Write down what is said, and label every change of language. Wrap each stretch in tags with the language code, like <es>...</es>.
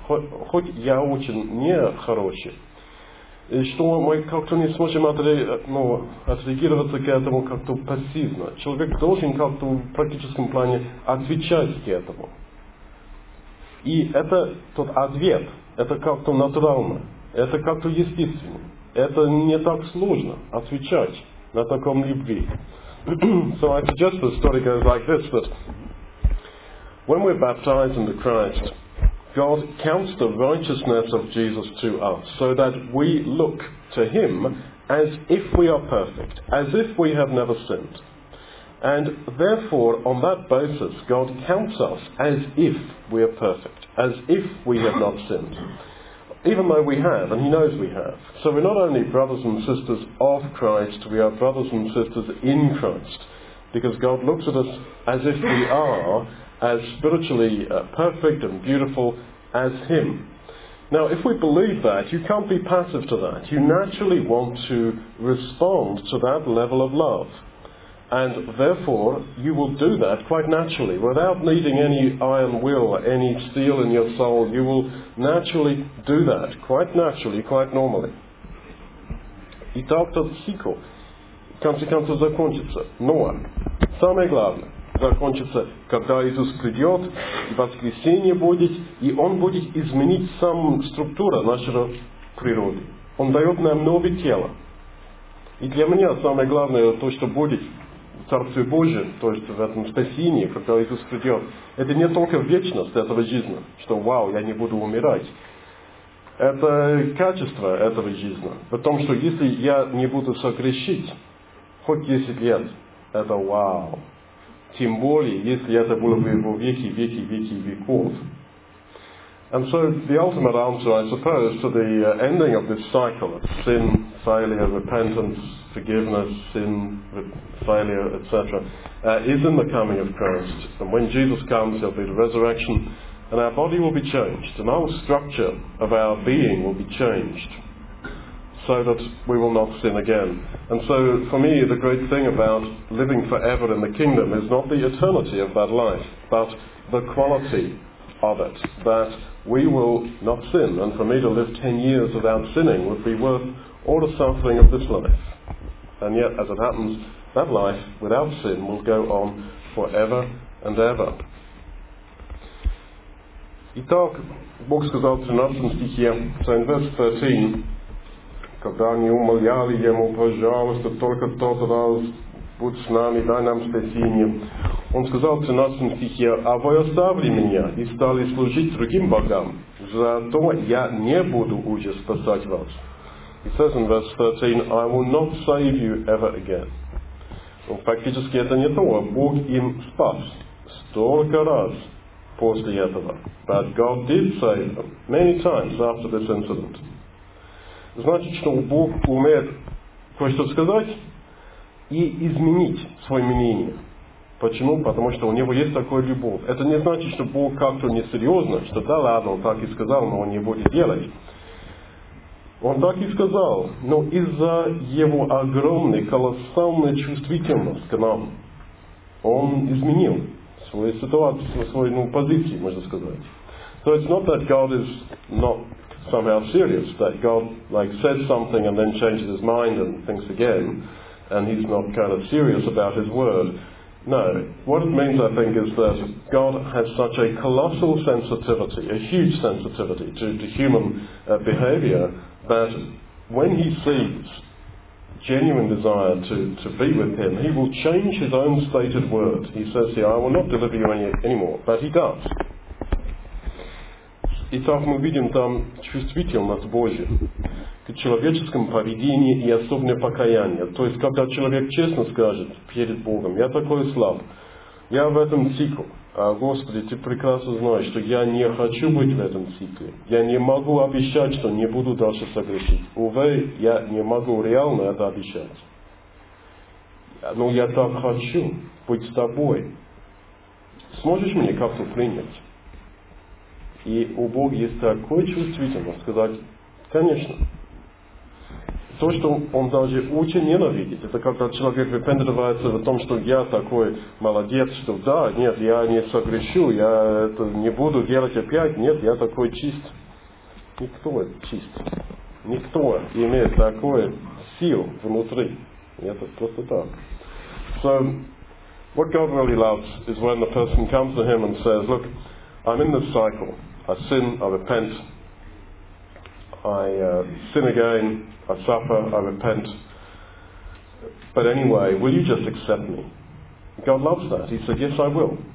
<ru>Хоть я очень не хороший. И что мы как-то не сможем отреагироваться к этому как-то пассивно. Человек должен как-то в практическом плане отвечать к этому. И это тот ответ, это как-то натурально, это как-то естественно. Это не так сложно отвечать на таком любви.</ru> <en>So I suggest the story goes like this, that when we're baptized into Christ, God counts the righteousness of Jesus to us so that we look to him as if we are perfect, as if we have never sinned. And therefore, on that basis, God counts us as if we are perfect, as if we have not sinned. Even though we have, and he knows we have. So we're not only brothers and sisters of Christ, we are brothers and sisters in Christ. Because God looks at us as if we are as spiritually perfect and beautiful as him. Now, if we believe that, you can't be passive to that. You naturally want to respond to that level of love. And therefore, you will do that quite naturally, without needing any iron will, any steel in your soul. You will naturally do that, quite naturally, quite normally.</en> <ru>И так тот цикл, в конце концов, закончится. Но самое главное, закончится, когда Иисус придет, и воскресенье будет, и Он будет изменить саму структуру нашего природы. Он дает нам новое тело. И для меня самое главное то, что будет в Царстве Божьем, то есть в этом спасении, когда Иисус придет, это не только вечность этого жизни, что вау, я не буду умирать. Это качество этого жизни. В том, что если я не буду согрешить хоть 10 лет, это вау. Тем более, если это было бы его веки, веки, веки, веков.</ru> <en>And so the ultimate answer, I suppose, to the ending of this cycle of sin, failure, repentance, forgiveness, sin, failure, etc., is in the coming of Christ. And when Jesus comes, there'll be the resurrection, and our body will be changed, and our structure of our being will be changed, so that we will not sin again. And so, for me, the great thing about living forever in the kingdom is not the eternity of that life, but the quality of it, that we will not sin, and for me to live 10 years without sinning would be worth all the suffering of this life. And yet, as it happens, that life without sin will go on forever and ever.</en> <ru>Итак, Бог сказал в 13 стихе,</ru> <en>so in verse 13,</en> <ru>когда они умоляли Ему, пожалуйста, только тот раз будь с нами, дай нам спасение. Он сказал в 13 стихе, а вы оставили меня и стали служить другим богам, зато я не буду уже спасать вас.</ru> <en>He says in verse 13, I will not save you ever again.</en> <ru>Well, фактически это не то, Бог им спас столько раз после этого.</ru> <en>But God did save them many times after this incident.</en> <ru>Значит, что Бог умеет кое-что сказать и изменить свое мнение. Почему? Потому что у него есть такая любовь. Это не значит, что Бог как-то несерьезно, что да ладно, он так и сказал, но он не будет делать. Он так и сказал, но из-за его огромной, колоссальной чувствительности к нам, он изменил свою ситуацию, свою позицию, можно сказать.</ru> <en>So it's not that God is not somehow serious, that God like says something and then changes his mind and thinks again, and he's not kind of serious about his word. No, what it means, I think, is that God has such a colossal sensitivity, a huge sensitivity to human behavior, that when he sees genuine desire to be with him, he will change his own stated word. He says here, I will not deliver you anymore, but he does.</en> <ru>Итак, мы видим там чувствительность Божья к человеческому поведению и особенное покаяние. То есть, когда человек честно скажет перед Богом, я такой слаб, я в этом цикле, а, Господи, ты прекрасно знаешь, что я не хочу быть в этом цикле, я не могу обещать, что не буду дальше согрешить. Увы, я не могу реально это обещать. Но я так хочу быть с тобой. Сможешь мне как-то принять? И у Бога есть такое чувствительность сказать, конечно. То, что он даже очень ненавидит, это когда человек выпендривается в том, что я такой молодец, что да, нет, я не согрешу, я это не буду делать опять, нет, я такой чист. Никто чист. Никто имеет такую силу внутри. Это просто так.</ru> <en>So, what God really loves is when the person comes to him and says, look, I'm in this cycle. I sin, I repent, I sin again, I suffer, I repent. But anyway, will you just accept me? God loves that. He said, yes, I will.</en>